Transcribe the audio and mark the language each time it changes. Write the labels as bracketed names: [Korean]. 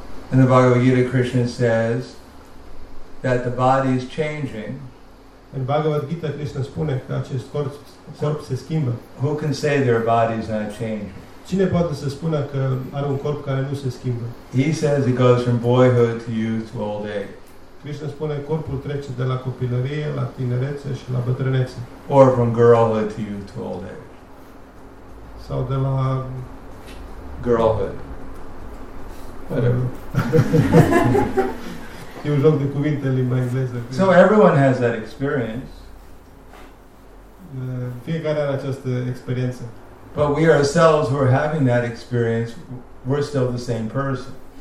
[English] And the Bhagavad Gita Krishna says that the body is changing. [Romanian] În Bhagavad Gita Krishna spune că acest corp se schimbă. [English] Who can say their body is not changing? [Romanian] Cine poate să spună că are un corp care nu se schimbă? [English] He says it goes from boyhood to youth to old age. [Romanian] Krishna spune corpul trece de la copilărie la tinerețe și la bătrânețe. [English] Or from girlhood to youth to old age. [Romanian] Sau de la [English] girlhood. Whatever. [Romanian] E un joc de cuvinte în limba engleză. [English] So everyone has that experience. [Romanian] Fiecare are această experiență. [English] But we ourselves who are having that experience, we're still the same person.